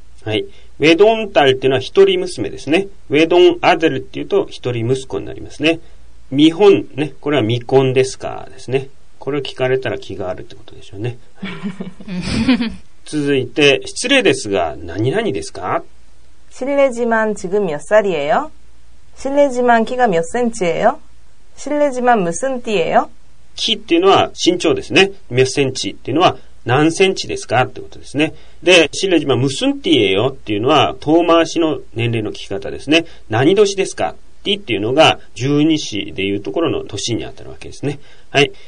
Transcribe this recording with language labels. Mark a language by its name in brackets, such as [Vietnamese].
[Japanese] はい、ウェドンタルっていうのは一人娘ですね。ウェドンアデルっていうと一人息子になりますね。見本ね、これは未婚ですかですね。これを聞かれたら気があるってことでしょうね。続いて、失礼ですが何々ですか。 [Korean] 실례지만지금몇살이에요。 실례지만키가몇센치예요。 실례지만무슨띠예요。 [Japanese] キっていうのは身長ですね。メッセンチっていうのは何センチですかってことですね。で、シレジマムスンティエよっていうのは遠回しの年齢の聞き方ですね。何年ですかっていうのが十二支でいうところの年に当たるわけですね。はい。